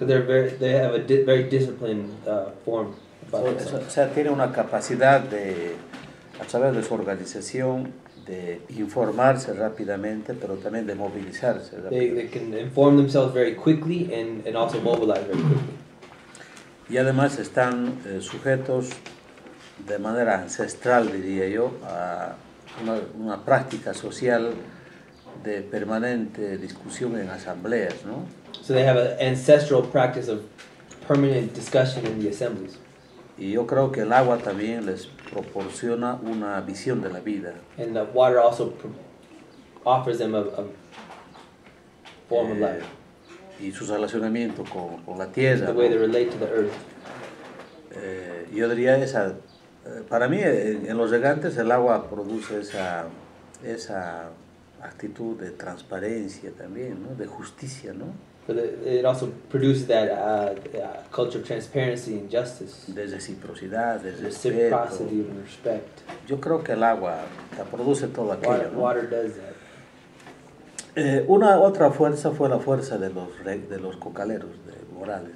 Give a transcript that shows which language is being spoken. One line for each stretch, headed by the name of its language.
English: Because they have a very disciplined form.
Spanish: O sea, tiene una capacidad de, a través de su organización, de informarse rápidamente, pero también de movilizarse.
English: They can inform themselves very quickly and also mobilize very quickly.
Spanish: Y además están sujetos de manera ancestral, diría yo, a una práctica social de permanente discusión en asambleas, ¿no?
English: So they have an ancestral practice of permanent discussion in the assemblies.
Spanish: Y yo creo que el agua también les proporciona una visión de la vida.
English: And the water also offers them a form of life.
Spanish: Y su relacionamiento con la tierra.
English: The way they relate to the earth.
Spanish: Yo diría esa, para mí en los regantes el agua produce esa actitud de transparencia también, ¿no? De justicia, ¿no?
English: But it also produces that culture of transparency and justice.
Spanish: De reciprocidad, de respeto.
English: Reciprocity and respect.
Spanish: Yo creo que el agua produce todo aquello.
English: Water does that.
Spanish: Una otra fuerza fue la fuerza de los cocaleros, de Morales.